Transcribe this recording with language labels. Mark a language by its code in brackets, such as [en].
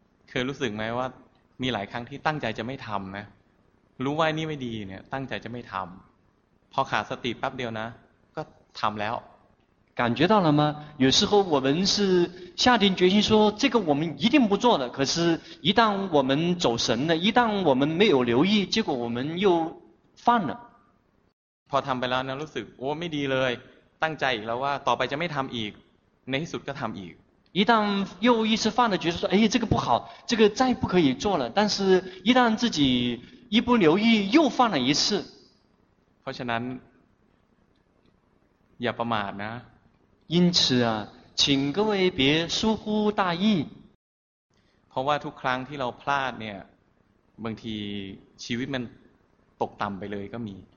[th] เคยรู้สึกไหมว่ามีหลายครั้งที่ตั้งใจจะไม่ทำนะรู้ว่านี่ไม่ดีเนี่ยตั้งใจจะไม่ทำพอขาดสติแป๊บเดียวนะก็ทำแล้ว [zh] 感觉到了吗？有时候我们是下定决心说这个我们一定不做的，可是一旦我们走神了，一旦我们没有留意，结果我们又犯了。 [th] พอทำไปแล้วนะรู้สึกโอ้ไม่ดีเลยตั้งใจแล้วว่าต่อไปจะไม่ทำอีกในที่สุดก็ทำอีก [zh] 一旦又一次犯了觉得说哎这个不好这个再不可以做了但是一旦自己一不留意又犯了一次 [th] เพราะฉะนั้นอย่าประมาทนะ [zh] 因此啊请各位别疏忽大意 [th] เพราะว่าทุกครั้งที่เราพลาดเนี่ยบางทีชีวิตมันตกต่ำไปเลยก็มี